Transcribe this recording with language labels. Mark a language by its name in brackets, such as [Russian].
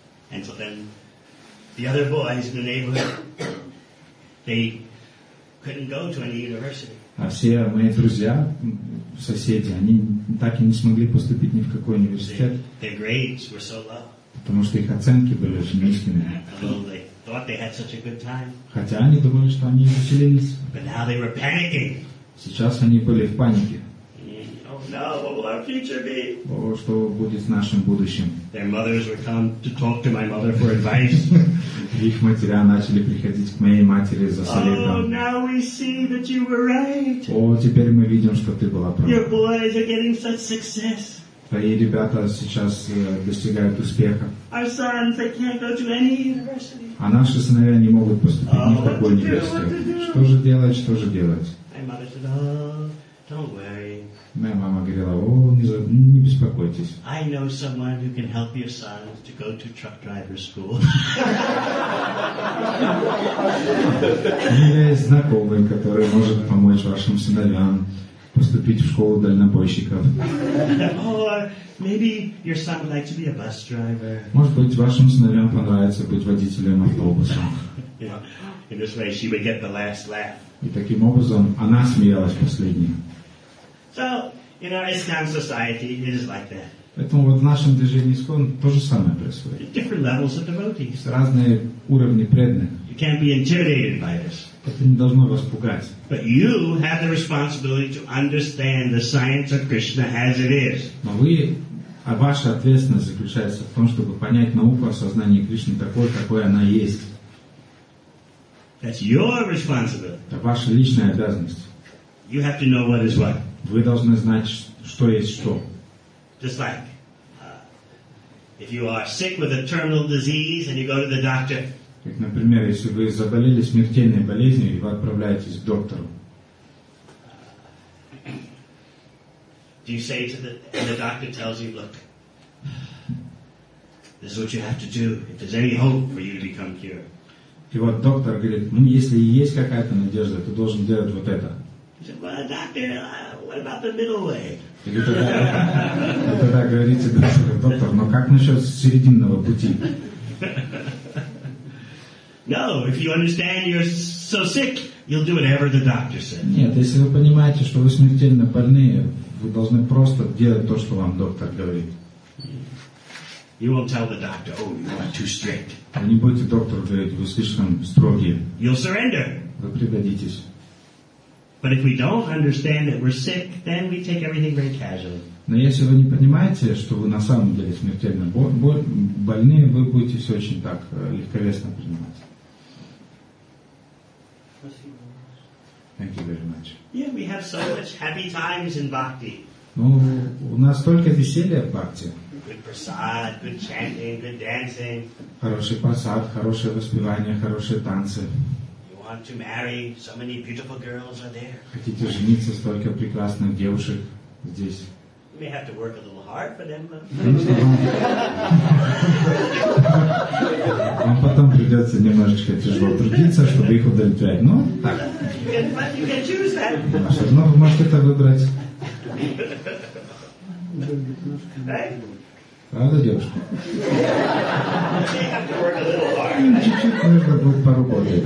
[English] And so then, the other boys in the neighborhood, they couldn't go to any university. [Russian] А все мои друзья, соседи, они так и не смогли поступить ни в какой университет. [English] Their grades were so low. [Russian] Потому что их оценки были очень низкими. [English] They thought they had such a good time. [Russian] Хотя они думали, что они веселились. [English] But now they were panicking. [Russian] Сейчас они были в панике. [English] No, what will our future be? [Russian] О, что будет с нашим будущим? [English] Their mothers would come to talk to my mother for advice. [Russian] Их матери начали приходить к моей матери за советом. [English] Oh, now we see that you were right. [Russian] О, теперь мы видим, что ты была права. [English] Your boys are getting such success. [Russian] Твои ребята сейчас достигают успеха. [English] Our sons, they can't go to any university. [Russian] А наши сыновья не могут поступить ни в какой университет. Что же делать? Что же делать? [English] My mother said, "Oh, don't worry." [Russian] Моя мама говорила: «О, не беспокойтесь». [English] I know someone who can help your son to go to truck driver school. [Russian] Я есть знакомый, который может помочь вашим сыновьям поступить в школу дальнобойщиков. [English] Or maybe your son would like to be a bus driver. [Russian] Может быть, вашим сыновьям понравится быть водителем автобуса. [English] In this way, she would get the last laugh. [Russian] И таким образом она смеялась последней. [English] So, in our Islam society, it is like that. [Russian] Поэтому вот в нашем движении ИСКОН то же самое происходит. [English] Different levels of devotees. [Russian] Разные уровни преданных. [English] You can't be intimidated by this. [Russian] Это не должно вас пугать. [English] But you have the responsibility to understand the science of Krishna as it is. [Russian] Но вы, а ваша ответственность заключается в том, чтобы понять науку о сознании Кришны такой, какой она есть. [English] That's your responsibility. [Russian] Это ваша личная обязанность. [English] You have to know what is what. [Russian] Вы должны знать, что есть что. [English] Just like, if you are sick with a terminal disease and you go to the doctor. [Russian] Как, например, если вы заболели смертельной болезнью и вы отправляетесь к доктору. [English] Do you say to the doctor tells you, look, this is what you have to do if there's any hope for you to become cured. [Russian] И вот доктор говорит, если есть какая-то надежда, ты должен делать вот это. [English] He said, well, doctor, what about the middle way? [Russian] Вы тогда говорите, доктор, но как насчет серединного пути? [English] No, if you understand you're so sick, you'll do whatever the doctor says. [Russian] Нет, если вы понимаете, что вы смертельно больны, вы должны просто делать то, что вам доктор говорит. [English] You won't tell the doctor, oh, you are too strict. [Russian] Вы не будете доктору говорить, вы слишком строгие. [English] You'll surrender. [Russian] Вы пригодитесь. [English] But if we don't understand that we're sick, then we take everything very casually. [Russian] Но если вы не понимаете, что вы на самом деле смертельно больны, вы будете все очень так легковесно принимать. Спасибо. [English] Thank you very much. Yeah, we have so much happy times in bhakti. [Russian] Ну, у нас столько веселья в бхакти. [English] Good prasad, good chanting, good dancing. [Russian] Хороший прасад, хорошее воспевание, хорошие танцы. [English] Want to marry? So many beautiful girls are there. [Russian] Хотите жениться, столько прекрасных девушек здесь. [English] You may have to work a little hard for them. [Russian] Вам потом придется немножечко тяжело трудиться, чтобы их удовлетворять. Но так. [English] You can choose that. [Russian] Ваше дно, вы можете это выбрать. Правда, девушка? Чуть-чуть нужно будет поработать.